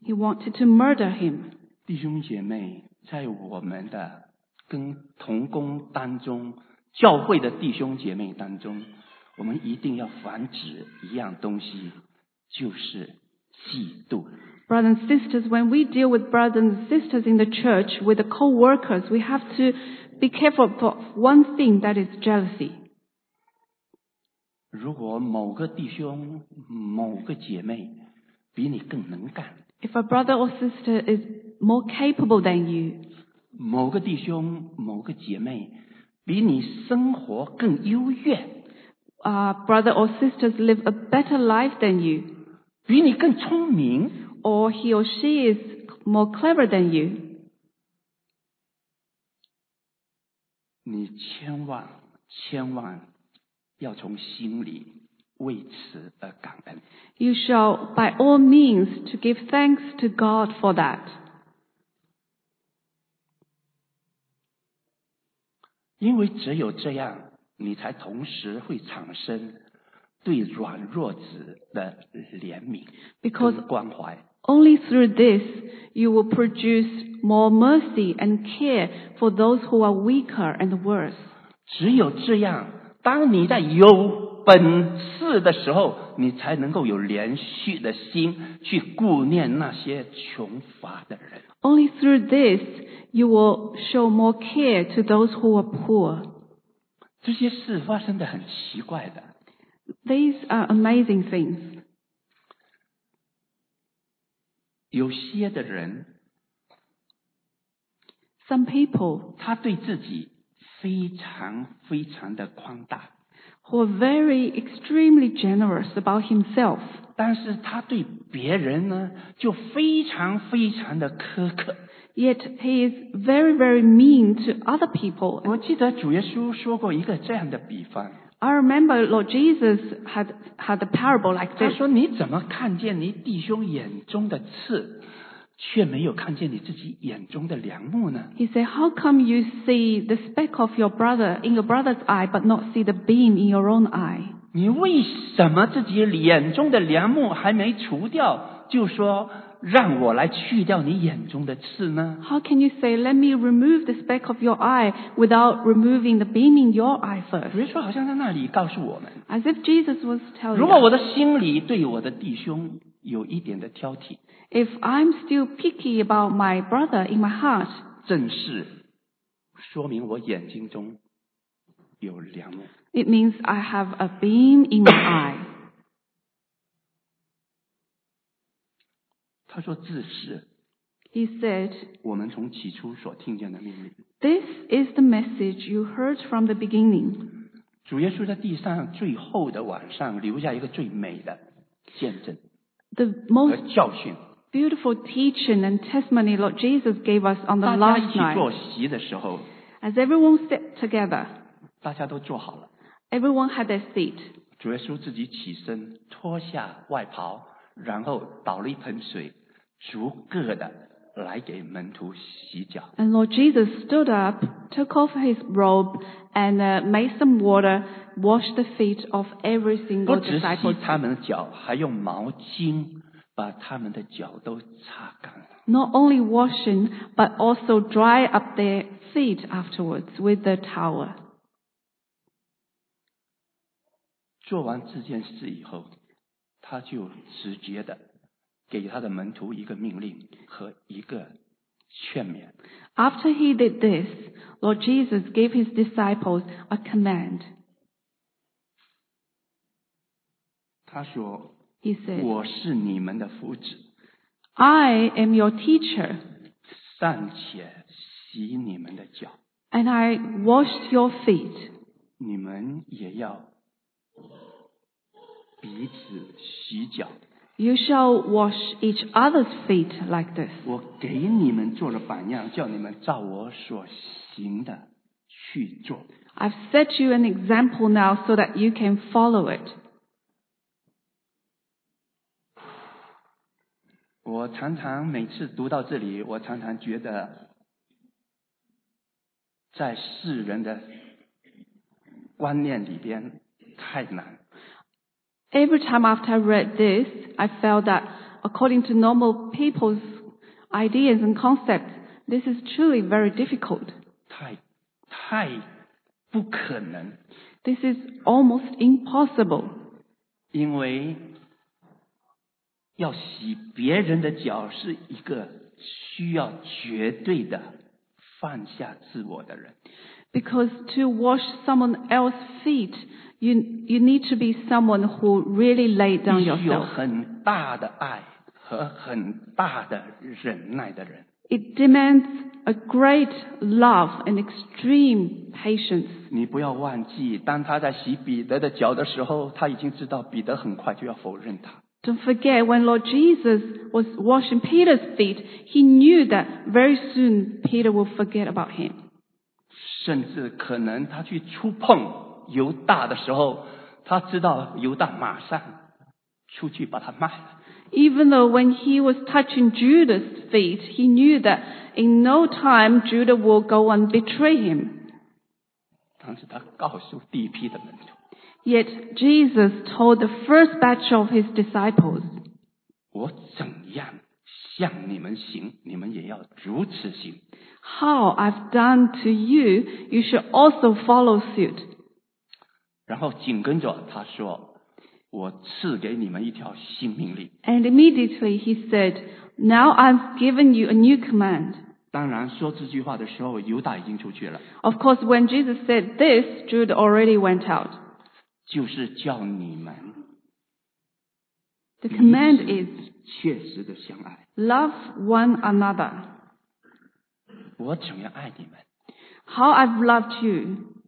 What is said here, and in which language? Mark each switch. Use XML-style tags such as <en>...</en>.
<en>He wanted to murder him.</en> <zh>弟兄姐妹，在我们的跟同工当中，教会的弟兄姐妹当中，我们一定要防止一样东西，就是嫉妒。</zh> <en>Brothers and sisters, when we deal with brothers and sisters in the church, with the co-workers, we have to be careful for one thing, that is jealousy.</en> <zh>如果某个弟兄、某个姐妹比你更能干，</zh> <en>If a brother or sister is more capable than you,</en> <zh>某个弟兄、某个姐妹比你生活更优越，</zh> <en>brother or sisters live a better life than you,</en> <zh>比你更聪明。</zh> <en>Or he or she is more clever than you.</en> <zh>你千万千万要从心里为此而感恩。</zh> <en>You shall by all means to give thanks to God for that.</en> <zh>因为只有这样，你才同时会产生对软弱子的怜悯跟关怀。</zh> <en>Only through this, you will produce more mercy and care for those who are weaker and worse.</en> <zh>只有这样，当你在有本事的时候，你才能够有连续的心去顾念那些穷乏的人。</zh> <en>Only through this, you will show more care to those who are poor.</en> <zh>这些事发生得很奇怪的。</zh> <en>These are amazing things.</en> <zh>有些的人</zh> <en>，some people，</en> <zh>他对自己非常非常的宽大</zh> <en>，who are very extremely generous about himself，</en> <zh>但是他对别人呢就非常非常的苛刻</zh> <en>，yet he is very very mean to other people。</en> <zh>我记得主耶稣说过一个这样的比方。</zh> <en>I remember Lord Jesus had a parable like this.</en> <zh>他说：“你怎么看见你弟兄眼中的刺，却没有看见你自己眼中的梁木呢？”</zh> <en>He said, "How come you see the speck of your brother in your brother's eye, but not see the beam in your own eye?"</en> <zh>你为什么自己眼中的梁木还没除掉，就说让我来去掉你眼中的刺呢？</zh> <en>How can you say, let me remove the speck of your eye without removing the beam in your eye first?</en> <zh>主耶稣好像在那里告诉我们，</zh> <en>As if Jesus was telling us,</en> <zh>如果我的心里对我的弟兄有一点的挑剔，</zh> <en>If I'm still picky about my brother in my heart,</en> <zh>正是说明我眼睛中有梁木。</zh> <en>It means I have a beam in my eye.</en> <zh>他说这是</zh> <en>He said,</en> <zh>我们从起初所听见的命令。</zh> <en>This is the message you heard from the beginning.</en> <zh>主耶稣在地上最后的晚上留下一个最美的见证和教训。</zh> <en>The most beautiful teaching and testimony Lord Jesus gave us on the last night.</en> <zh>大家一起坐席的时候，</zh> <en>As everyone sat together,</en> <zh>大家都坐好了。</zh> <en>Everyone had their seat.</en> <zh>主耶稣自己起身脱下外袍，然后倒了一盆水，逐个的来给门徒洗脚。</zh> <en>And Lord Jesus stood up, took off his robe, and made some water, washed the feet of every single disciple.</en> <zh>不只洗他们的脚，还用毛巾把他们的脚都擦干了。</zh> <en>Not only washing, but also dry up their feet afterwards with the towel.</en> <zh>做完这件事以后，他就直接的给他的门徒一个命令和一个劝勉。</zh> <en>After he did this, Lord Jesus gave his disciples a command.</en> <zh>他说</zh> <en>，He said,</en> <zh>我是你们的夫子。</zh> <en>I am your teacher.</en> <zh>暂且洗你们的脚。</zh> <en>And I washed your feet.</en> <zh>你们也要彼此洗脚。</zh> <en>You shall wash each other's feet like this.</en> <zh>我给你们做了榜样，叫你们照我所行的去做。</zh> <en>I've set you an example now so that you can follow it.</en> <zh>我常常每次读到这里，我常常觉得在世人的观念里边太难。</zh> <en>Every time after I read this, I felt that according to normal people's ideas and concepts, this is truly very difficult.</en> <zh>太不可能。</zh> <en>This is almost impossible.</en> <zh>因为要洗别人的脚是一个需要绝对的放下自我的人。</zh> <en>Because to wash someone else's feet, you need to be someone who really laid down yourself.</en> <zh>必须有很大的爱和很大的忍耐的人。</zh> <en>It demands a great love and extreme patience.</en> <zh>你不要忘记，当他在洗彼得的脚的时候，他已经知道彼得很快就要否认他。</zh> <en>Don't forget, when Lord Jesus was washing Peter's feet, he knew that very soon Peter would forget about him.</en> <zh>甚至可能他去触碰犹大的时候，他知道犹大马上出去把他卖了。</zh> <en>Even though when he was touching Judas' feet, he knew that in no time Judas would go and betray him.</en> <zh>但是他告诉第一批的门徒。</zh> <en>Yet Jesus told the first batch of his disciples,</en> <zh>我怎样向你们行，你们也要如此行。</zh> <en>How I've done to you, you should also follow suit.</en> <zh>然后紧跟着他说，我赐给你们一条新命令。</zh> <en>And immediately he said, Now I've given you a new command.</en> <zh>当然说这句话的时候，犹大已经出去了。</zh> <en>Of course, when Jesus said this, Jude already went out.</en> <zh>就是叫你们</zh> <en>The command is</en> <zh>确实的相爱</zh> <en>Love one another</en> <zh>我怎样爱你们</zh> <en>How I've loved you</en>